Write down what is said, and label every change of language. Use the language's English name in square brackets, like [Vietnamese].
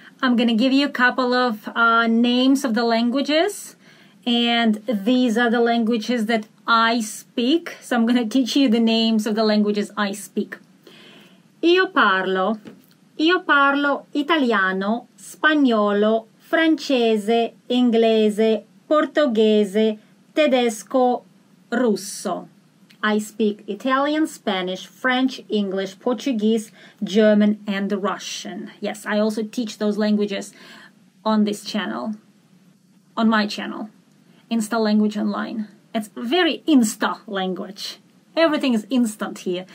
[English] I'm going to give you a couple of names of the languages, and these are the languages that I speak. So I'm going to teach you the names of the languages I speak. [Italian] Io parlo italiano, spagnolo, francese, inglese, portoghese, tedesco, russo. [English] I speak Italian, Spanish, French, English, Portuguese, German, and Russian. Yes, I also teach those languages on this channel, on my channel, Insta Language Online. It's very Insta language. Everything is instant here.